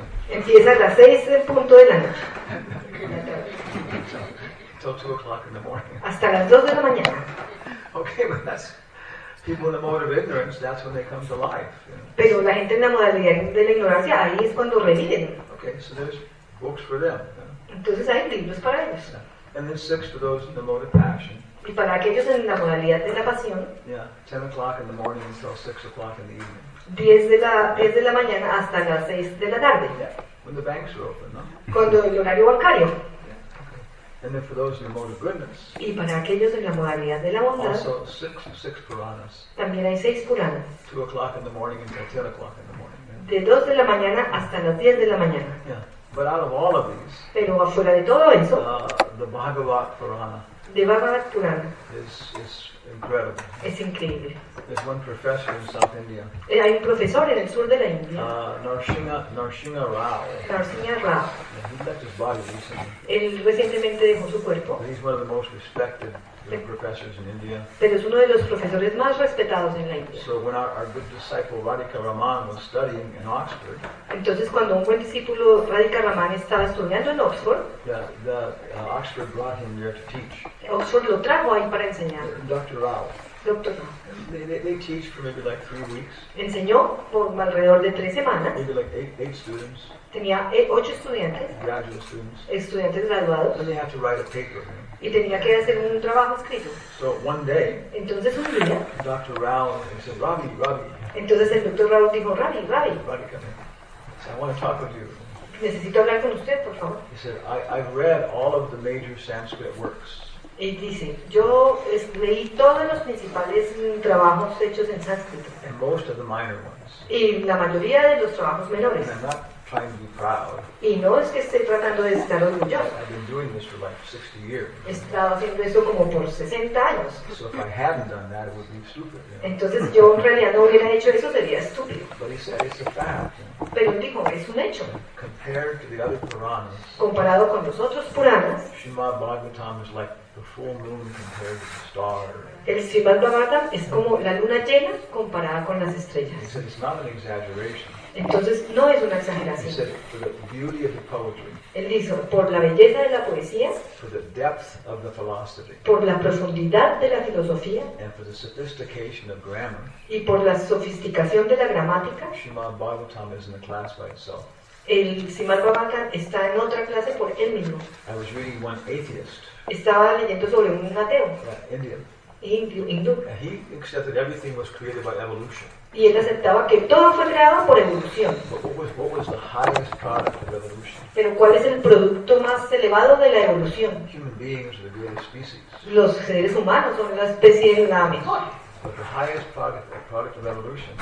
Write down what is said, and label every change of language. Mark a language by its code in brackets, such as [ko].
[es] Empieza a las 6 del punto de la noche. Hasta las 2 de la mañana. [en] Okay, but that's people in the mode of ignorance, that's when they come to life. [es] Pero la gente en la modalidad de la ignorancia, ahí es cuando reviven. [en] Okay, so there's books for them. [es] Entonces hay libros para ellos. [en] And then 6 for those in the mode of passion. [es] Y para aquellos en la modalidad de la pasión. [en] Yeah, 10 o'clock in the morning until 6 o'clock in the evening. [es] 10 de la mañana hasta las 6 de la tarde. [en] Yeah. When the banks are open, no? [es] Cuando el horario bancario. [en] And then for those in the mode of goodness. [es] Y para aquellos en la modalidad de la bondad. [en] Also six puranas. [es] También hay 6 puranas. [en] 2 o'clock in the morning until 10 o'clock in the morning. Yeah. [es] De 2 de la mañana hasta las 10 de la mañana. [en] Yeah. But out of all of these. [es] Pero afuera de todo eso. [en] The Bhagavat Purana. [es] De Bhagavat Purana. [en] Is incredible. [es] Es increíble. [en] There's one professor in South India. [es] Hay un profesor en el sur de la India. [en] Narsingha Rao. [es] Narsingha Rao. Él recientemente dejó su cuerpo. [en] He's one of the most respected professors in India. [es] Pero es uno de los profesores más respetados en la India. [en] So when our good disciple Radhika Raman was studying in Oxford. [es] Entonces cuando un buen discípulo Radhika Raman estaba estudiando en Oxford. [en] The Oxford brought him there to teach. [es] Oxford lo trajo ahí para enseñar. [en] Dr. Rao. [es] Dr. Rao. [en] They teach for maybe like 3 weeks. [es] Enseñó por alrededor de 3 semanas. [en] Maybe like eight students. [es] Tenía 8 estudiantes. [en] Graduate students. [es] Estudiantes graduados. [en] And they had to write a paper. [es] Y tenía que hacer un trabajo escrito. [en] So one day. [es] Entonces un día. [en] Dr. Rao said, Ravi. [es] Entonces el doctor Rao dijo, Ravi. [en] Ravi, come in. So I want to talk with you. [es] Necesito hablar con usted, por favor. [en] He said, I've read all of the major Sanskrit works. [es] Y dice, yo leí todos los principales trabajos hechos en sánscrito. [en] And most of the minor ones. [es] Y la mayoría de los trabajos menores. [en] And I'm not trying to be proud. [es] Y no es que esté tratando de estar orgulloso. [en] I've been doing this for like 60 years. [es] He estado haciendo eso como por 60 años. [en] So if I hadn't done that, it would be stupid, you know? [es] Entonces yo en realidad no hubiera hecho eso, sería estúpido. [en] But he said it's a fact, you know? [es] Pero él dijo, es un hecho. [en] Compared to the other puranas, [es] comparado con los otros puranas, [en] Srimad Bhagavatam es like the full moon compared to the star. [es] El Srimad Bhagavatam es como la luna llena comparada con las estrellas. [en] He said it's not an exaggeration. [es] Entonces no es una exageración. [en] He said for the beauty of the poetry. [es] Él dijo por la belleza de la poesía. [en] For the depth of the philosophy. [es] Por la profundidad de la filosofía. [en] And for the sophistication of grammar. [es] Y por la sofisticación de la gramática. [en] Srimad Bhagavatam is in a class by itself. [es] El Srimad Bhagavatam está en otra clase por él mismo. [en] I was reading one atheist. [es] Estaba leyendo sobre un ateo. Hindú. [en] And he accepted everything was created by evolution. [es] Y él aceptaba que todo fue creado por evolución. [en] What was the highest product of evolution? [es] Pero ¿cuál es el producto más elevado de la evolución? [en] Human beings are the greatest species. [es] Los seres humanos son la especie de la mejor. [en] But the highest product of evolution.